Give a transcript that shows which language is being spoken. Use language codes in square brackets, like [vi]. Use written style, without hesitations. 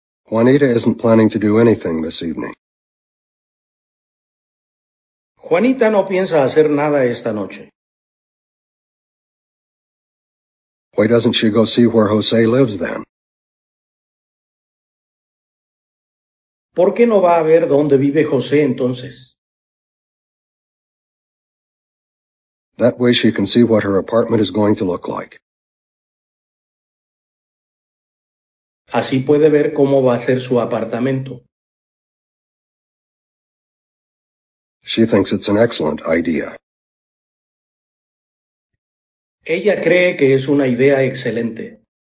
[en] Juanita isn't planning to do anything this evening. [es] Juanita no piensa hacer nada esta noche. [en] Why doesn't she go see where Jose lives then? [es] ¿Por qué no va a ver dónde vive José entonces? [en] That way she can see what her apartment is going to look like. [es] Así puede ver cómo va a ser su apartamento. [en] She thinks it's an excellent idea. [es] Ella cree que es una idea excelente.